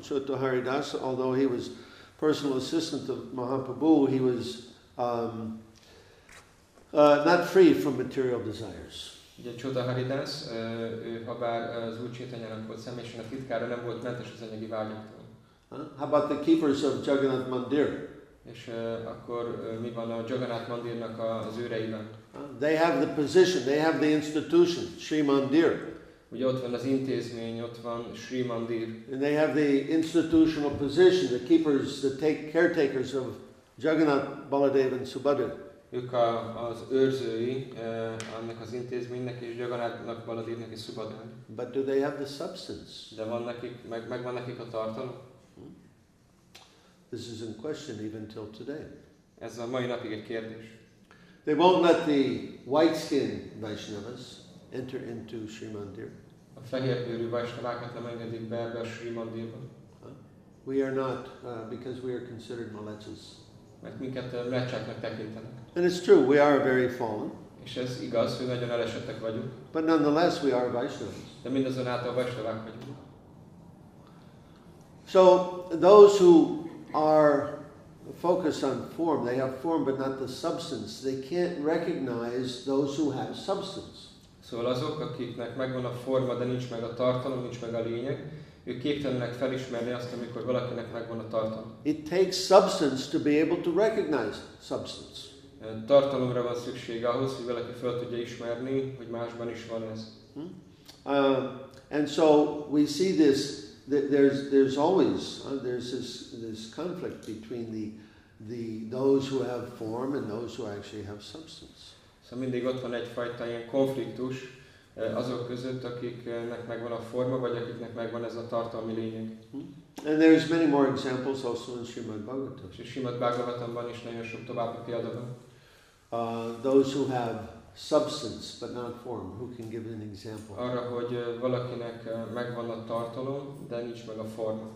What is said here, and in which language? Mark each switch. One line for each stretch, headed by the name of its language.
English: Chota Haridas, although he was personal assistant of Mahaprabhu, he was not free from material desires.
Hungarian: Ugye Chota Haridas, ő habár az Úr Chaitanyának volt személyesen a titkára, nem volt mentes az anyagi vágyaktól.
English: How about the keepers of Jagannath Mandir?
Hungarian: És akkor mi van a Jagannath Mandirnak az őreiben?
English: They have the position, they have the institution, Sri Mandir.
Hungarian: Ugye ott van az intézmény, ott van Sri Mandir.
English: And they have the institutional position, the keepers, the caretakers of Jagannath, Baladev and Subhadra.
Hungarian: Ők az őrzői annak az intézménynek és Jagannáthnak, Baladévnek és Subhadrának.
English: But do they have the substance?
Hungarian: De van nekik, megvan nekik a tartalom?
English: This is in question even till today.
Hungarian: Ez a mai napig egy kérdés.
English: They won't let the white-skinned Vaishnavas enter into Sri Mandir.
Hungarian: A fehérbőrű Vaishnavákat nem engedik be a Sri Mandirba.
English: We are not, because we are considered malechas.
Hungarian: Mert minket mlecsáknak tekintenek.
English: And it's true, we are very fallen.
Hungarian: És ez igaz, hogy nagyon elesettek vagyunk.
English: But nonetheless, we are Vaishnavas.
Hungarian: De mindazonáltal Vaishnavák vagyunk.
English: So, those who are focus on form. They have form, but not the substance. They can't recognize those who have substance.
Hungarian: Szóval azok, akiknek megvan a forma, de nincs meg a tartalom, nincs meg a lényeg, ők képtelenek felismerni azt, amikor valakinek megvan a tartalom.
English: It takes substance to be able to recognize substance.
Hungarian: Tartalomra van szüksége ahhoz, hogy valaki fel tudja ismerni, hogy másban is van ez.
English: And so we see this. There's always there's this conflict between the those who have form and those who actually have substance.
Hungarian: So mindig ott van egyfajta ilyen konfliktus azok között, akiknek megvan a forma, vagy akiknek megvan ez a tartalmi lényeg.
English: And there's many more examples also in Srimad Bhagavatam.
Hungarian: És Srimad Bhagavatamban is nagyon sok további példa van.
English: Those who have substance but not form, who can give an example?
Hungarian: Arra, hogy valakinek megvan a tartalom, de nincs meg a forma.